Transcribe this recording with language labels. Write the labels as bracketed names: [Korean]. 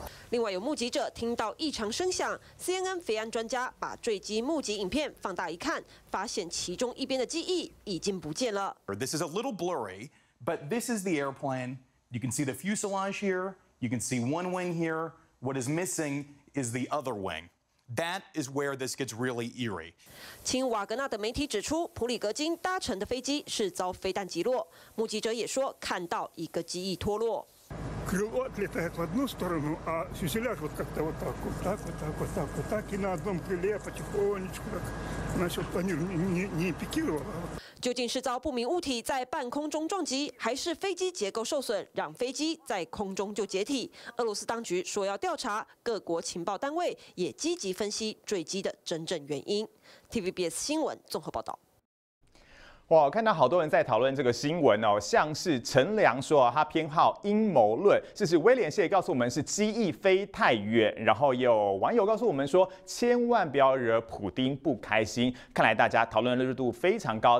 [Chinese] 另外有目击者听到异常声响 ，CNN 飞安专家把坠机目击影片放大一看，发现其中一边的机翼已经不见了。 [English] This is a little blurry, but this is the airplane. You can see the fuselage here. You can see one wing here. What is missing is the other wing. That is where this gets really eerie. [Chinese] 亲瓦格纳的媒体指出，普里戈金搭乘的飞机是遭飞弹击落。目击者也说看到一个机翼脱落。 [Russian] Крыло отлетает в одну сторону, а фюзеляж вот как-то вот так, вот так, вот так, вот так, вот так, и на одном крыле потихонечку, значит, они не пикировало. [Chinese] 究竟是遭不明物体在半空中撞击，还是飞机结构受损让飞机在空中就解体？俄罗斯当局说要调查，各国情报单位也积极分析坠机的真正原因。 TVBS 新闻综合报道。哇，看到好多人在讨论这个新闻哦，像是陈良说他偏好阴谋论，这是威廉谢告诉我们是机翼飞太远，然后也有网友告诉我们说千万不要惹普丁不开心，看来大家讨论的热度非常高。